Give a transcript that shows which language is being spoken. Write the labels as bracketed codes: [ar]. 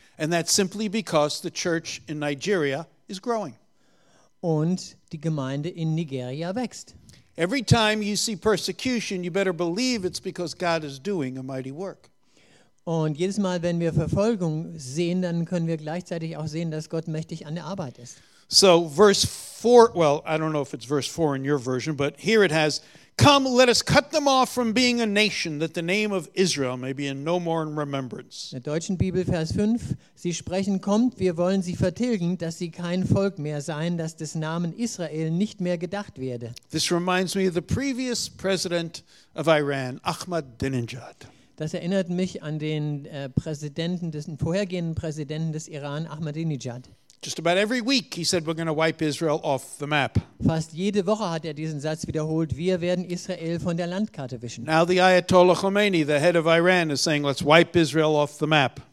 [en] And that's simply because the church in Nigeria is growing. [de] Und die Gemeinde in Nigeria wächst. [en] Every time you see persecution, you better believe it's because God is doing a mighty work. [de] Und jedes Mal, wenn wir Verfolgung sehen, dann können wir gleichzeitig auch sehen, dass Gott mächtig an der Arbeit ist. [en] So verse 4, well, I don't know if it's verse 4 in your version, but here it has, come, let us cut them off from being a nation, that the name of Israel may be in no more in remembrance. [de] In der deutschen Bibel, Vers 5, sie sprechen, kommt, wir wollen sie vertilgen, dass sie kein Volk mehr seien, dass des Namen Israel nicht mehr gedacht werde. [en] This reminds me of the previous president of Iran, Ahmadinejad. [de] Das erinnert mich an den vorhergehenden Präsidenten des Iran, Ahmadinejad. [en] Just about every week he said we're going to wipe Israel off the map. [de] Fast jede Woche hat er diesen Satz wiederholt, wir werden Israel von der Landkarte wischen. [en] Now the Ayatollah Khomeini, the head of Iran, is saying let's wipe Israel off the map.